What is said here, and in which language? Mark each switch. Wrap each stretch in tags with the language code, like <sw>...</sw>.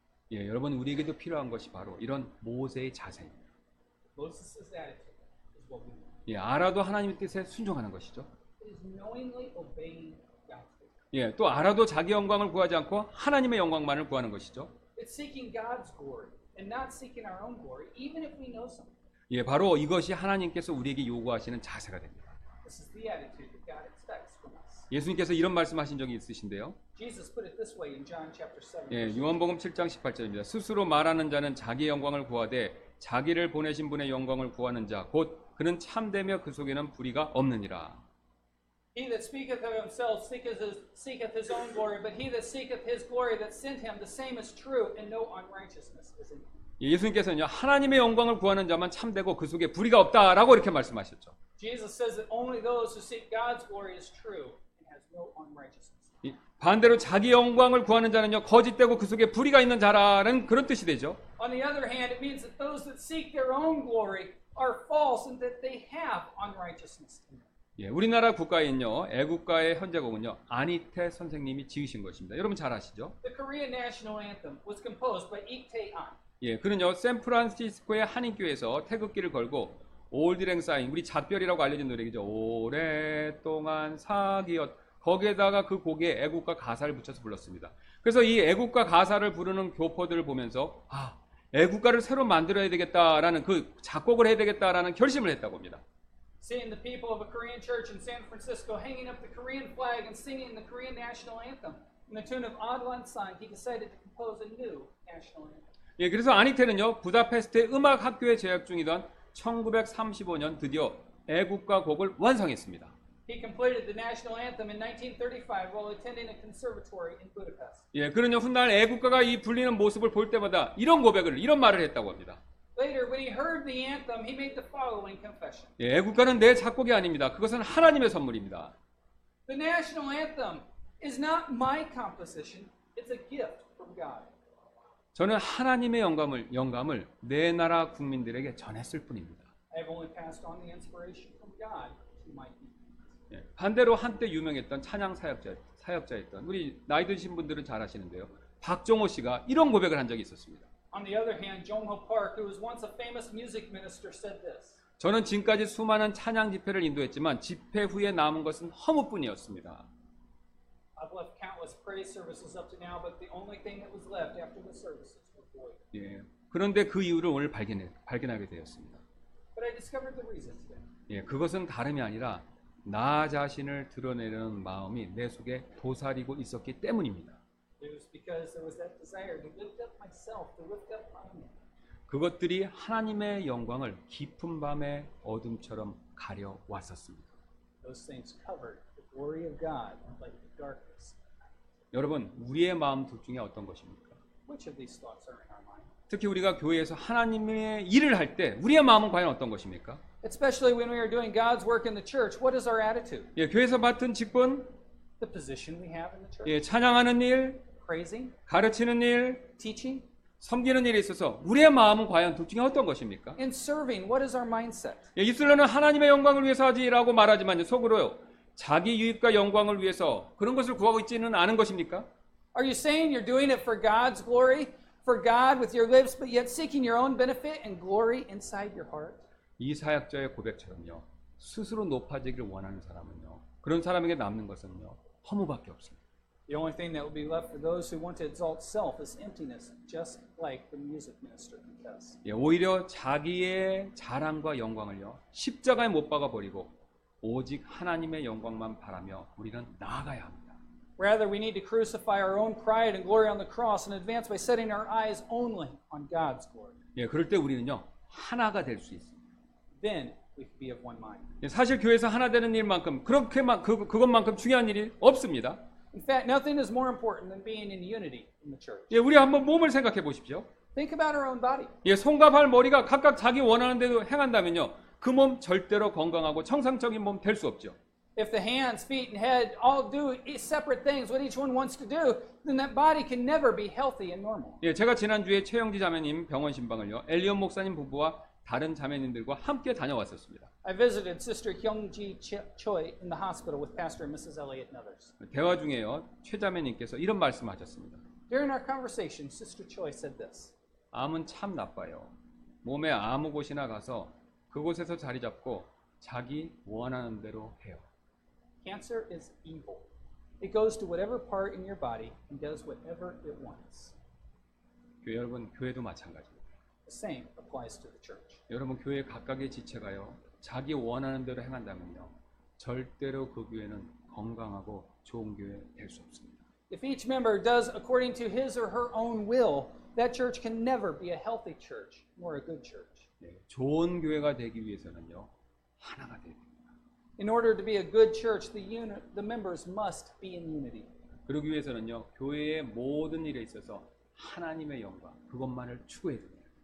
<ko>예, 여러분 우리에게도 필요한 것이 바로 이런 모세의 자세입니다.</ko> <en>Moses's attitude is what we want.</en> <ko>예, 알아도 하나님의 뜻에 순종하는 것이죠.</ko> <en>It is knowingly obeying God's will.</en> <ko>예, 또 알아도 자기 영광을 구하지 않고 하나님의 영광만을 구하는 것이죠.</ko> <en>It's seeking God's glory and not seeking our own glory, even if we know something.</en> <ko>예, 바로 이것이 하나님께서 우리에게 요구하시는 자세가 됩니다.</ko> <en>This is the attitude that God expects from us.</en> <ko>예수님께서 이런 말씀하신 적이 있으신데요.</ko> <en>Jesus put it this way in John chapter 7.</en> <ko>예, 요한복음 7장 18절입니다. 스스로 말하는 자는 자기 영광을 구하되 자기를 보내신 분의 영광을 구하는 자 곧 그는 참되며 그 속에는 불의가 없느니라.</ko> <en>He that speaketh of himself seeketh his own glory, but he that seeketh his glory that sent him, the same is true, and no unrighteousness is in him.</en> <ko>예수님께서는요 하나님의 영광을 구하는 자만 참되고 그 속에 불의가 없다라고 이렇게 말씀하셨죠.</ko> <en>Jesus says that only those who seek God's glory is true and has no unrighteousness.</en> <ko>반대로 자기 영광을 구하는 자는요 거짓되고 그 속에 불의가 있는 자라는 그런 뜻이 되죠.</ko> <en>On the other hand, it means that those that seek their own glory are false and that they have unrighteousness.</en> <ko>예, 우리나라 국가인요, 애국가의 현재곡은요, 안희태 선생님이 지으신 것입니다. 여러분 잘 아시죠?</ko> <en>The Korean national anthem was composed by Lee Tae-an.</en> <ko>예, 그는요, 샌프란시스코의 한인교회에서 태극기를 걸고 Old Lang Syne, 우리 작별이라고 알려진 노래이죠. 오랫동안 사귀었 거기에다가 그 곡에 애국가 가사를 붙여서 불렀습니다. 그래서 이 애국가 가사를 부르는 교포들을 보면서 아, 애국가를 새로 만들어야 되겠다라는 그 작곡을 해야 되겠다라는 결심을 했다고 합니다.</ko> <en>Seeing the people of a Korean church in San Francisco hanging up the Korean flag and singing the Korean national anthem in the tune of Ahn Lan-sang, he decided to compose a new national anthem.</en> <ko>예, 그래서 아니테는요, 부다페스트 음악 학교에 재학 중이던 1935년 드디어 애국가 곡을 완성했습니다.</ko> <en>He completed the national anthem in 1935 while attending a conservatory in Budapest.</en> <ko>예, 그는요, 훗날 애국가가 이 불리는 모습을 볼 때마다 이런 고백을, 이런 말을 했다고 합니다.</ko> <en>Later, when he heard the anthem, he made the following confession.</en> <ko>예, 애국가는 내 작곡이 아닙니다. 그것은 하나님의 선물입니다.</ko> <en>The national anthem is not my composition. It's a gift from God.</en> <ko>저는 하나님의 영감을 내 나라 국민들에게 전했을 뿐입니다.</ko> <en>I've only passed on the inspiration from God to my people.</en> <ko>예, 반대로 한때 유명했던 찬양 사역자였던 우리 나이 드신 분들은 잘 아시는데요. 박종호 씨가 이런 고백을 한 적이 있었습니다.</ko> <en>On the other hand, Jongho Park, who was once a famous music minister, said this.</en> <ko>저는 지금까지 수많은 찬양 집회를 인도했지만 집회 후에 남은 것은 허무뿐이었습니다.</ko> <en>I've left countless praise services up to now, but the only thing that was left after the services was void.</en> <ko>예. 그런데 그 이유를 오늘 발견하게 되었습니다.</ko> <en>But I discovered the reason today.</en> <ko>예, 그것은 다름이 아니라 나 자신을 드러내려는 마음이 내 속에 도사리고 있었기 때문입니다.</ko> <en>It was because there was that desire to lift up myself, to lift up my name.</en> <ko>그것들이 하나님의 영광을 깊은 밤의 어둠처럼 가려 왔었습니다.</ko> <en>Those things covered the glory of God like the darkness.</en> <ko>여러분, 우리의 마음 둘 중에 어떤 것입니까?</ko> <en>Which of these thoughts are in our mind?</en> <ko>특히 우리가 교회에서 하나님의 일을 할 때 우리의 마음은 과연 어떤 것입니까?</ko> <en>Especially when we are doing God's work in the church, what is our attitude?</en> <ko>예, 교회에서 맡은 직분.</ko> <en>The position we have in the church.</en> <ko>예, 찬양하는 일,</ko> <en>praising,</en> <ko>가르치는 일,</ko> <en>teaching,</en> <ko>섬기는 일에 있어서 우리의 마음은 과연 둘 중에 어떤 것입니까?</ko> <en>In serving, what is our mindset?</en> <ko>예, 입술로는 하나님의 영광을 위해서 하지라고 말하지만 속으로요, 자기 유익과 영광을 위해서 그런 것을 구하고 있지는 않은 것입니까?</ko> <en>Are you saying you're doing it for God's glory, for God with your lips, but yet seeking your own benefit and glory inside your heart?</en> <ko>이 사역자의 고백처럼요, 스스로 높아지기를 원하는 사람은요. 그런 사람에게 남는 것은요 허무밖에 없습니다.</ko> <en>The only thing that will be left for those who want to exalt self is emptiness, just like the music minister confessed.</en> <ko>예, 오히려 자기의 자랑과 영광을요 십자가에 못 박아 버리고 오직 하나님의 영광만 바라며 우리는 나아가야 합니다.</ko> <en>Rather, we need to crucify our own pride and glory on the cross and advance by setting our eyes only on God's glory.</en> <ko>예, 그럴 때 우리는요 하나가 될 수 있습니다.</ko> <en>Then we can be of one mind.</en> <ko>사실 교회에서 하나 되는 일만큼 그렇게만 그것만큼 중요한 일이 없습니다.</ko> <en>In fact, nothing is more important than being in unity in the church.</en> <ko>예, 우리 한번 몸을 생각해 보십시오.</ko> <en>Think about our own body.</en> <ko>예, 손과 발, 머리가 각각 자기 원하는 대로 행한다면요, 그 몸 절대로 건강하고 정상적인 몸 될 수 없죠.</ko> <en>If the hands, feet, and head all do separate things what each one wants to do, then that body can never be healthy and normal.</en> <ko>예, 제가 지난 주에 최영지 자매님 병원 신방을요, 엘리온 목사님 부부와 다른 자매님들과 함께 다녀왔었습니다.</ko> <en>I visited Sister Hyungji Choi in the hospital with Pastor and Mrs. Elliot and others.</en> <ko>대화 중에요, 최 자매님께서 이런 말씀을 하셨습니다.</ko> <en>During our conversation, Sister Choi said this.</en> <ko>암은 참 나빠요. 몸에 아무 곳이나 가서 그곳에서 자리 잡고 자기 원하는 대로 해요.</ko> <en>Cancer is evil. It goes to whatever part in your body and does whatever it wants.</en> <ko>교회 여러분, 교회도 마찬가지.</ko> <en>The same applies to the church.</en> <ko>여러분 교회 각각의 지체가요 자기 원하는 대로 행한다면요 절대로 그 교회는 건강하고 좋은 교회 될 수 없습니다.</ko> <en>If each member does according to his or her own will, that church can never be a healthy church nor a good church.</en> <ko>네, 좋은 교회가 되기 위해서는요 하나가 돼야 됩니다.</ko> <en>In order to be a good church, the members must be in unity.</en> <ko>그러기 위해서는요 교회의 모든 일에 있어서 하나님의 영광 그것만을 추구해야 됩니다.</ko>